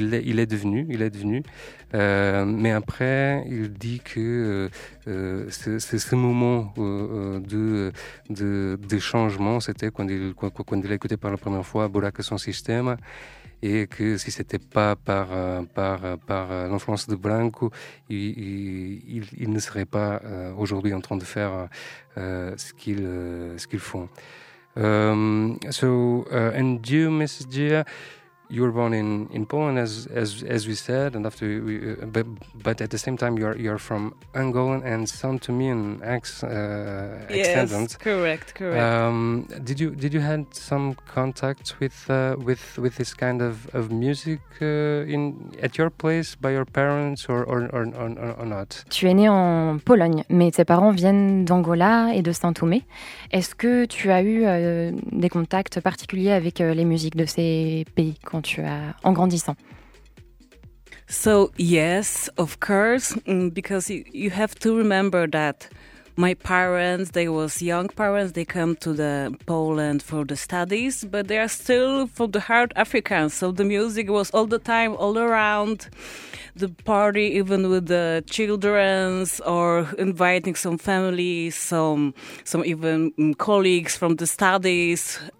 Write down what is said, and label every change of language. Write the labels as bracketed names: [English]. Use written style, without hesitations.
[French] Il est devenu. Mais après, il dit que c'est ce moment de changement, c'était quand il a écouté par la première fois Buraka son système, et que si c'était pas par l'influence de Branko, il ne serait pas aujourd'hui en train de faire ce qu'ils font. [English] And you, Mrs. Gia, you were born in Poland, as we said, and after but at the same time you're from Angola and sound to me an accent. Yes, correct. Did you had some contact with this kind of music in at your place by your parents or not? [French] Tu es né en Pologne, mais tes parents viennent d'Angola et de Saint-Thomé. Est-ce que tu as eu des contacts particuliers avec les musiques de ces pays quand tu as en grandissant? [English] So yes, of course, because you have to remember that my parents, they was young parents, they come to the Poland for the studies, but they are still from the heart Africans, so the music was all the time, all around the party, even with the children or inviting some family, some even colleagues from the studies.